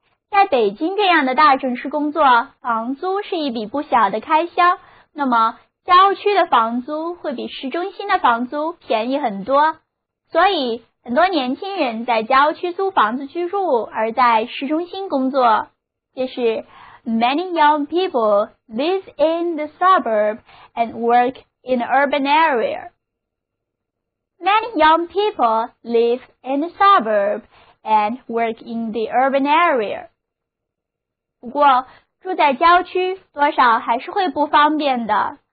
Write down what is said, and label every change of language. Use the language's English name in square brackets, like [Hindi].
[Chinese] 在北京这样的大城市工作，房租是一笔不小的开销，那么郊区的房租会比市中心的房租便宜很多，所以很多年轻人在郊区租房子居住，而在市中心工作。这是 [English] Many young people live in the suburb and work in an urban area. Many young people live in the suburb and work in the urban area. [Chinese] 不过，住在郊区多少还是会不方便的。